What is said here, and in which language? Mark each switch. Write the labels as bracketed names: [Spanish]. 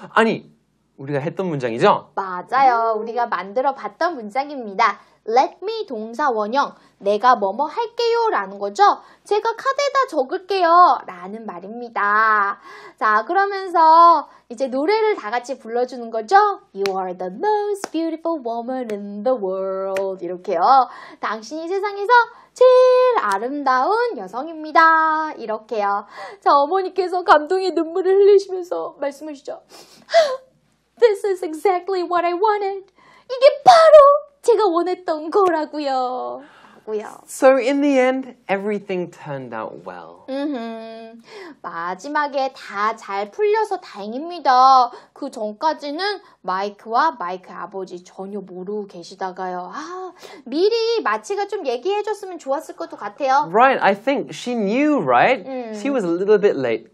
[Korean] 아니, 우리가 했던 문장이죠? 맞아요. 우리가 만들어 봤던 문장입니다. [English] Let me [Korean] 동사 원형. 내가 뭐뭐 할게요 라는 거죠. 제가 카드에다 적을게요 라는 말입니다. 자, 그러면서 이제 노래를 다 같이 불러주는 거죠. [English] You are the most beautiful woman in the world. [Korean] 이렇게요. 당신이 세상에서 제일 아름다운 여성입니다. 이렇게요. 자, 어머니께서 감동의 눈물을 흘리시면서 말씀하시죠. [English] This is exactly what I wanted. [Korean] 이게 바로 제가 원했던 거라고요. 같고요. [English] So in the end, everything turned out well. [Korean] 마지막에 다 잘 풀려서 다행입니다. 그 전까지는 마이크와 마이크 아버지 전혀 모르고 계시다가요. 아, 미리 마치가 좀 얘기해줬으면 좋았을 것도 같아요. [English] Right, I think she knew, right? She was a little bit late.